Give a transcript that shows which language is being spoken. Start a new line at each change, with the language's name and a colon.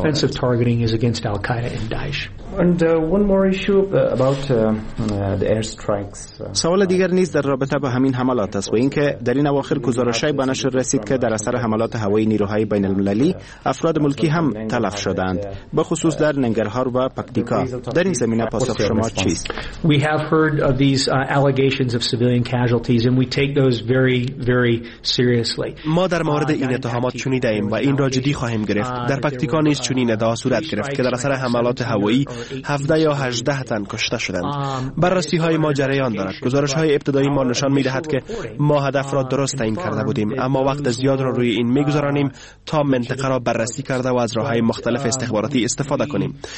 Persian: اند. سوال دیگر نیز در رابطه با همین حملات است و اینکه در این اواخر گزارش‌های به نشر رسید که در اثر حملات هوایی نیروهای بین المللی افراد ملکی هم تلف شدند، به خصوص در ننگرهار و پکتیکا. در این زمینه پاسخ شما چیست؟
English: We have heard of these allegations of civilian casualties and we take those very very seriously.
Persian: ما در مورد این اتهامات شنیده‌ایم و این را جدی خواهیم گرفت. در پکتیکا نیز چنین ادعا صورت گرفت که در اثر حملات هوایی 17 یا 18 تن کشته شدند. بررسی های ما جریان دارد. گزارش های ابتدایی ما نشان می دهد که ما هدف را درست تعیین کرده بودیم، اما وقت زیاد را روی این می گذرانیم تا منطقه را بررسی کرده و از راه های مختلف استخباراتی استفاده کنیم.